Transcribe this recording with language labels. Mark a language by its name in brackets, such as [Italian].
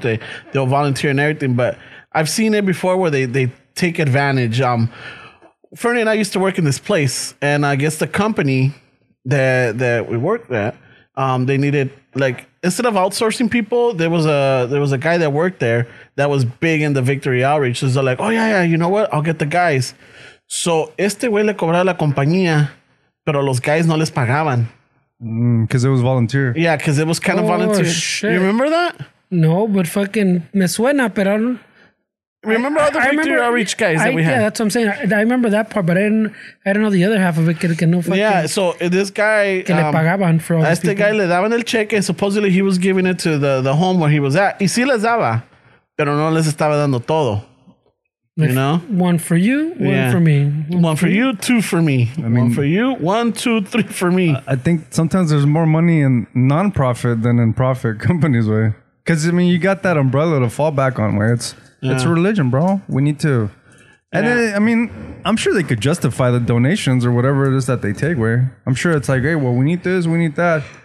[English] They'll volunteer and everything. But I've seen it before where they take advantage. Fernie and I used to work in this place, and I guess the company that we worked at, they needed, like, instead of outsourcing people, there was a guy that worked there that was big in the Victory Outreach. So they're like, oh, yeah, you know what? I'll get the guys. [Spanish] So este güey le cobraba la compañía, pero los guys no les pagaban. [English] Because it was volunteer. Yeah, because it was kind of volunteer. Shit. You remember that? [Spanish] No, [English] but fucking [Spanish] me suena, pero... [English] Remember all the Victory Outreach guys that we had? Yeah, that's what I'm saying. I remember that part, but I didn't know the other half of it. Yeah, so this guy... [Spanish] Que le pagaban [English] for all [Spanish] este guy le daban el cheque. [English] Supposedly, he was giving it to the home where he was at. [Spanish] Y sí les daba, pero no les estaba dando todo. [English] You know? One for you, one for me. One for you, two for me. I mean, one for you, one, two, three for me. I think sometimes there's more money in non-profit than in profit companies, way. Because, I mean, you got that umbrella to fall back on, where it's... Yeah. It's religion, bro. We need to. And yeah. I mean, I'm sure they could justify the donations or whatever it is that they take, where I'm sure it's like, hey, well, we need this, we need that.